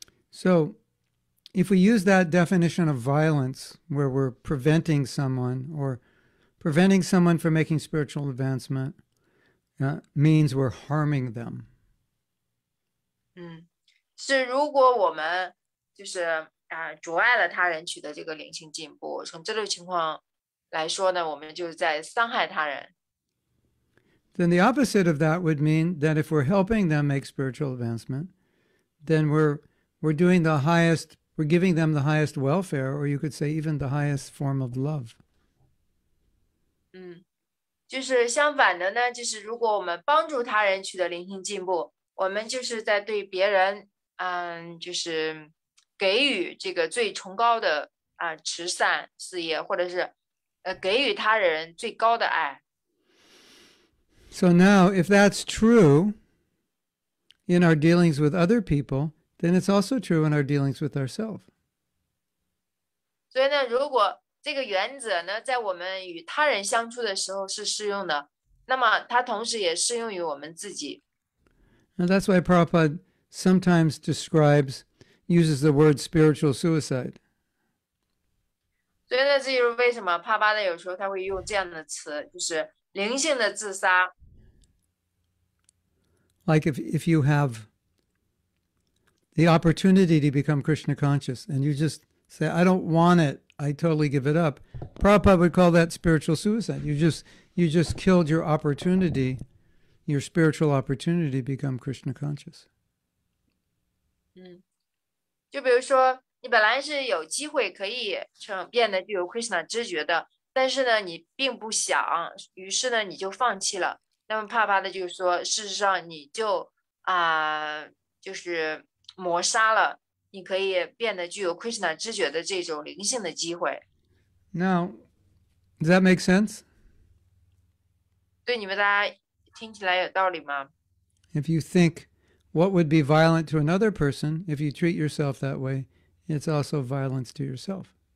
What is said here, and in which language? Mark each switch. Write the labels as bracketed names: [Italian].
[English] So, if we use that definition of violence, where we're preventing someone or preventing someone from making spiritual advancement, means we're harming them. [Chinese] 是如果我们就是阻碍了他人取得这个灵性进步，从这种情况来说呢，我们就是在伤害他人。 [English] Then the opposite of that would mean that if we're helping them make spiritual advancement, then we're doing the highest, we're giving them the highest welfare, or you could say even the highest form of love. [Chinese] 就是相反的呢，就是如果我们帮助他人取得灵性进步，我们就是在对别人，就是给予这个最崇高的慈善事业，或者是给予他人最高的爱。 [English] So now, if that's true in our dealings with other people, then it's also true in our dealings with ourselves. [Chinese] 所以呢，如果这个原则呢，在我们与他人相处的时候是适用的，那么它同时也适用于我们自己。 [English] And that's why Prabhupada sometimes uses the word spiritual suicide. [Chinese] 所以呢，这就是为什么帕巴的有时候他会用这样的词，就是灵性的自杀。 [English] Like if you have the opportunity to become Krishna conscious and you just say, I don't want it, I totally give it up. Prabhupada would call that spiritual suicide. You just killed your opportunity, your spiritual opportunity to become Krishna conscious. [Chinese] 就比如说你本来是有机会可以变得具有 Krishna 知觉的，但是呢你并不想，于是呢你就放弃了。那么怕怕的就是说，事实上你就就是抹杀了你可以变得具有 Krishna 知觉的这种灵性的机会。 [English] Now, does that make sense? [Chinese] 对你们大家听起来有道理吗？ [English] If you think what would be violent to another person, if you treat yourself that way, it's also violence to yourself.